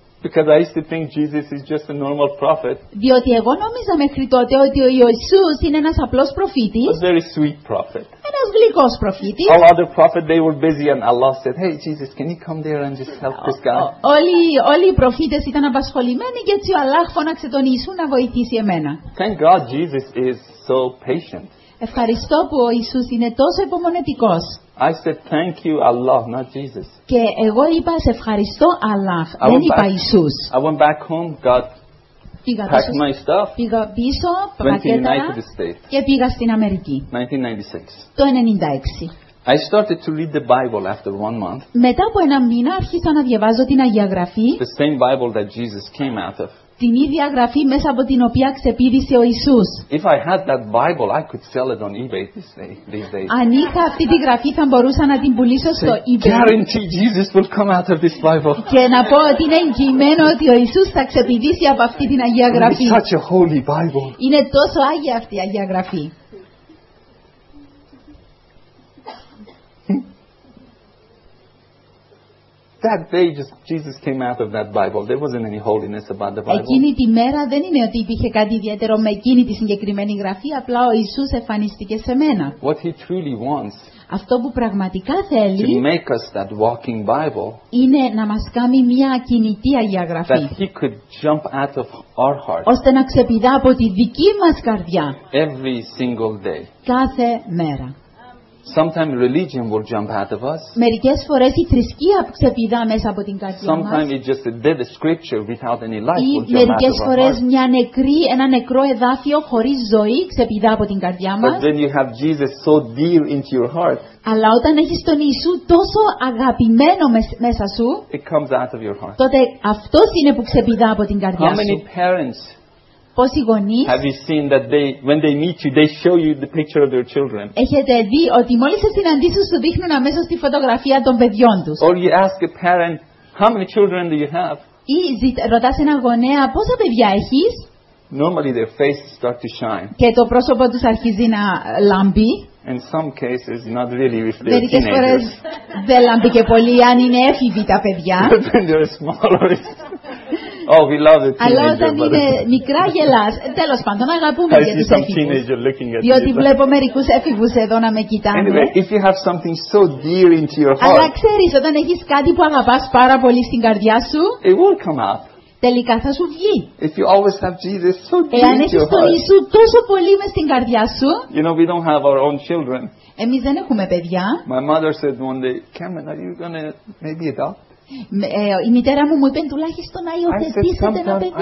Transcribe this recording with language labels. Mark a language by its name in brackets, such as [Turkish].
[English] Because I used to think Jesus is just a normal prophet. [Greek] Διότι εγώ νόμιζα μέχρι τότε ότι ο Ιησούς είναι ένας απλός προφήτης. [English] A very sweet prophet. [Greek] Ένας γλυκός προφήτης. [English] All other prophets they were busy and Allah said, "Hey Jesus, can you come there and just help this guy?" [Greek] Όλοι οι προφήτες ήταν απασχολημένοι και έτσι ο Αλλάχ φώναξε τον Ιησού να βοηθήσει εμένα. [English] Thank God Jesus is so patient. [Greek] Ευχαριστώ που ο Ιησούς είναι τόσο υπομονετικός. [English] I said thank you Allah, not Jesus. [Greek] Και εγώ είπα σε ευχαριστώ Αλλάχ, δεν είπα Ιησούς. [English] I went back home, got packed my stuff. [Greek] Πήγα πίσω, πακέτα και πήγα στην Αμερική. [English] 1996. I started to read the Bible after 1 month. [Greek] Μετά από ένα μήνα άρχισα να διαβάζω την Αγία Γραφή. [English] The same Bible that Jesus came out of. [Greek] Την ίδια γραφή μέσα από την οποία ξεπήδησε ο Ιησούς. [English] If I had that Bible, I could sell it on eBay these days. [Greek] Αν είχα αυτή τη γραφή, θα μπορούσα να την πουλήσω στο eBay. [English] Guarantee Jesus will come out of this Bible. [Greek] Και να πω ότι είναι εγγυημένο ότι ο Ιησούς θα ξεπηδήσει από αυτή την Αγία Γραφή. [English] Such a holy Bible. [Greek] Είναι τόσο άγια αυτή η Αγία Γραφή. [English] That day, just Jesus came out of that Bible. There wasn't any holiness about the Bible. [Greek] Εκείνη τη μέρα δεν είναι ότι υπήρχε κάτι ιδιαίτερο με εκείνη τη συγκεκριμένη γραφή. Απλά ο Ιησούς εμφανίστηκε σε μένα. [English] What he truly wants. [Greek] Αυτό που πραγματικά θέλει. [English] To make us that walking Bible. [Greek] Είναι να μας κάνει μια ακινητή Αγία Γραφή. [English] That he could jump out of our heart. [Greek] Ώστε να ξεπηδά από τη δική μας καρδιά. [English] Every single day. [Greek] Κάθε μέρα. [English] Sometimes religion will jump out of us. [Greek] Μερικές φορές η θρησκεία ξεπηδά μέσα από την καρδιά μας. [English] Sometimes it's just a dead scripture without any life will jump out of us. [Greek] Μερικές φορές μια νεκρή, ένα νεκρό εδάφιο χωρίς ζωή ξεπηδά από την καρδιά μας. [English] But then you have Jesus so dear into your heart. [Greek] Αλλά όταν έχεις τον Ιησού τόσο αγαπημένο μέσα σου, [English] it comes out of your heart. [Greek] Τότε αυτός είναι που ξεπηδά από την καρδιά σου. [English] How many parents? [Greek] Πόσοι γονείς, [English] have you seen that they, when they meet you, they show you the picture of their children? [Greek] Έχετε δει ότι μόλις σε συναντήσουν σου δείχνουν αμέσως τη φωτογραφία των παιδιών τους? [English] Or you ask a parent, how many children do you have? [Greek] Ή ρωτάς ένα γονέα πόσα παιδιά έχεις? [English] Normally their faces start to shine. [Greek] Και το πρόσωπο τους αρχίζει να λαμπεί. [English] In some cases, not really if they're teenagers. [Greek] Μερικές φορές δεν λάμπει και πολύ αν είναι έφηβοι τα παιδιά. [English] But when they're smaller, it's... Oh, we love the teenager. [Greek] Αλλά όταν είναι μικρά γελάς. Τέλος πάντων, αγαπούμε για τους έφηβους. Διότι βλέπω μερικούς έφηβους εδώ να με κοιτάνε. [English] Anyway, if you have something so dear into your heart. [Greek] Αλλά ξέρεις, όταν έχεις κάτι που αγαπάς πάρα πολύ στην καρδιά σου. [English] It will come up. [Greek] Τελικά θα σου βγει. [English] If you always have Jesus so dear into your heart. [Greek] Εάν έχεις τον Ιησού τόσο πολύ μες στην καρδιά σου. [English] You know, we don't have our own children. [Greek] Εμείς δεν έχουμε παιδιά. [English] My mother said one day, Cameron, are you gonna maybe adopt? [Greek] Η μητέρα μου είπε τουλάχιστον να υιοθετήσετε ένα